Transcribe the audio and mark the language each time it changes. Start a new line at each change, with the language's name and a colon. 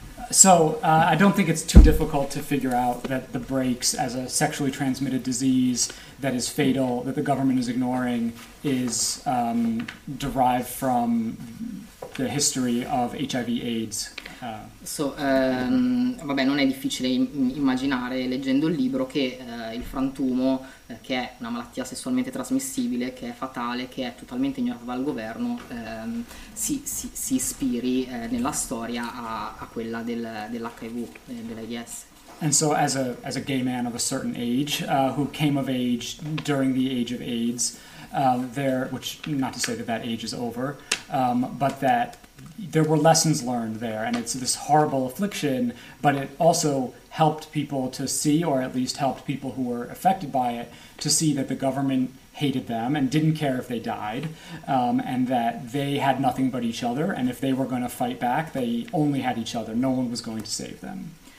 English: So I don't think it's too difficult to figure out that the breaks as a sexually transmitted disease that is fatal, that the government is ignoring, is derived from the history of HIV/AIDS.
Italian: Vabbè, non è difficile immaginare, leggendo il libro, che il frantumo, che è una malattia sessualmente trasmissibile, che è fatale, che è totalmente ignorata dal governo, si ispiri nella storia a quella dell'HIV, dell'AIDS.
English: And so as a gay man of a certain age, who came of age during the age of AIDS, there, which not to say that age is over, but that there were lessons learned there, and it's this horrible affliction, but it also helped people to see, or at least helped people who were affected by it, to see that the government hated them and didn't care if they died, and that they had nothing but each other, and if they were going to fight back, they only had each other, no one was going to save them.